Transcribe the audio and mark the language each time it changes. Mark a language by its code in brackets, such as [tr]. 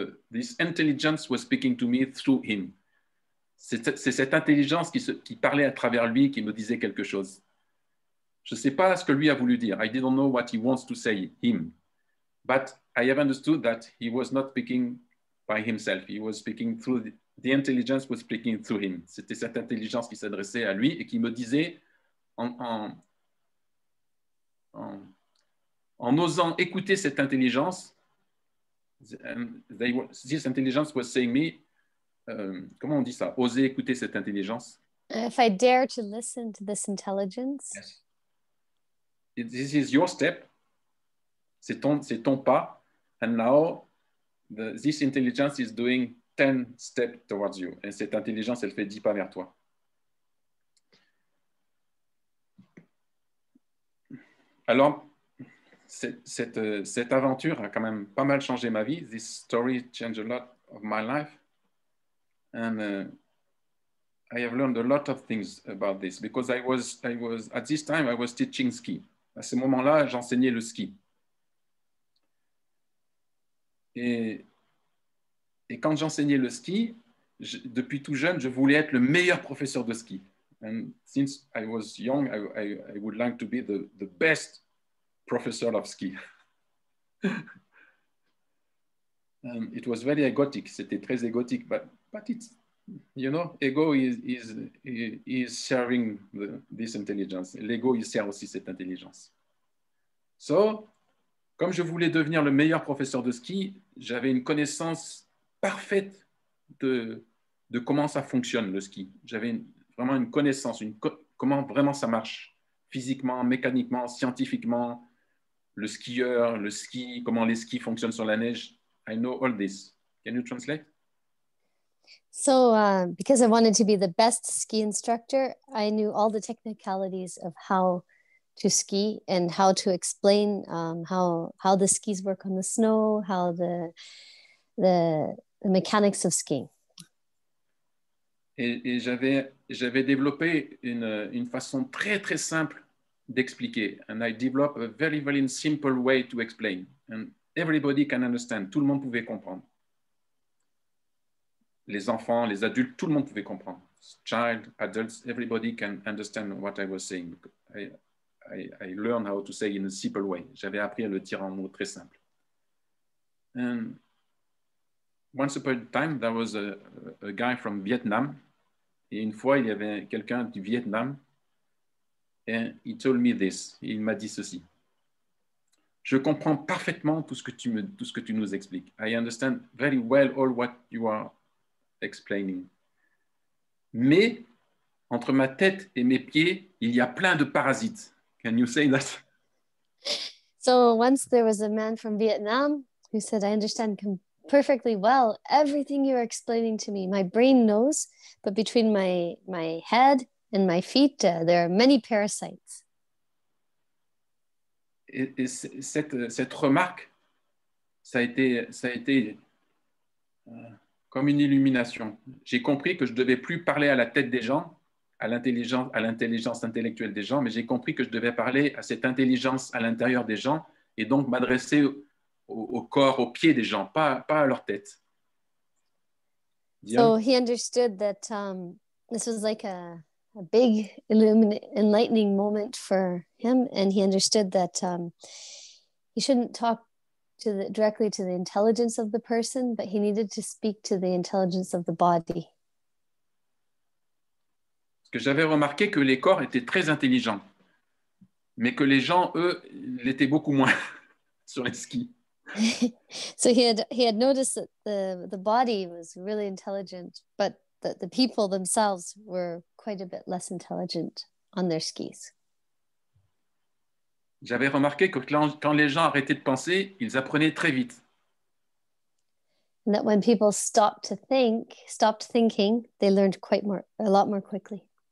[en] This intelligence was speaking to me through him. [fr] C'est cette intelligence qui parlait à travers lui, qui me disait quelque chose. Je ne sais pas ce que lui a voulu dire. [en] I didn't know what he wants to say, him. But I have understood that he was not speaking by himself. He was speaking through, the intelligence was speaking through him. [fr] C'était cette intelligence qui s'adressait à lui et qui me disait, en osant écouter cette intelligence, [en] this intelligence was saying me, [fr] comment on dit ça? Oser écouter cette intelligence. [en] If I dare to listen to this intelligence. Yes. This is your step. [fr] C'est ton pas. [en] And now, this intelligence is doing 10 steps towards you. [fr] Et cette intelligence, elle fait 10 pas vers toi. Alors, cette aventure a quand même pas mal changé ma vie. [en] This story changed a lot of my life. And I have learned a lot of things about this because I was at this time I was teaching ski. [fr] À ce moment-là, j'enseignais le ski. Et quand j'enseignais le ski, depuis tout jeune, je voulais être le meilleur professeur de ski. [en] And since I was young, I would like to be the best professor of ski. It was very egotic. [fr] C'était très égotique, [en] but it's, you know, ego is serving this intelligence. [fr] L'ego, il sert aussi cette intelligence. So, comme je voulais devenir le meilleur professeur de ski, j'avais une connaissance parfaite de comment ça fonctionne, le ski. J'avais vraiment une connaissance, comment vraiment ça marche, physiquement, mécaniquement, scientifiquement, le skieur, le ski, comment les skis fonctionnent sur la neige. [en] I know all this. Can you translate? So, because I wanted to be the best ski instructor, I knew all the technicalities of how to ski and how to explain how the skis work on the snow, how the mechanics of skiing. [fr] Et j'avais développé une façon très très simple d'expliquer. [en] And I developed a very very simple way to explain. And everybody can understand. [fr] Tout le monde pouvait comprendre. Les enfants, les adultes, tout le monde pouvait comprendre. [en] Child, adults, everybody can understand what I was saying. I learned how to say in a simple way. J'avais appris à le dire en mots très simples. And once upon a time, there was a guy from Vietnam. [fr] Et une fois, il y avait quelqu'un du Vietnam. [en] And he told me this. [fr] Il m'a dit ceci. Je comprends parfaitement tout ce que tu nous expliques. [en] I understand very well all what you are explaining. [fr] Mais entre ma tête et mes pieds, il y a plein de parasites. [en] Can you say that? So once there was a man from Vietnam who said, I understand perfectly well everything you're explaining to me. My brain knows, but between my head and my feet, there are many parasites. [fr] Et cette remarque, ça a été comme une illumination. J'ai compris que je ne devais plus parler à la tête des gens, à l'intelligence intellectuelle des gens, mais j'ai compris que je devais parler à cette intelligence à l'intérieur des gens et donc m'adresser au corps, aux pieds des gens, pas à leur tête. [en] Diane. So he understood that this was like a big enlightening moment for him, and he understood that he shouldn't talk directly to the intelligence of the person, but he needed to speak to the intelligence of the body. [fr] J'avais remarqué que les corps étaient très intelligents, mais que les gens, eux, l'étaient beaucoup moins sur les skis. [en] So he had noticed that the body was really intelligent, but that the people themselves were quite a bit less intelligent on their skis. [fr] J'avais remarqué que quand les gens arrêtaient de penser, ils apprenaient très vite. [en] And that when people stopped thinking, they learned a lot more quickly.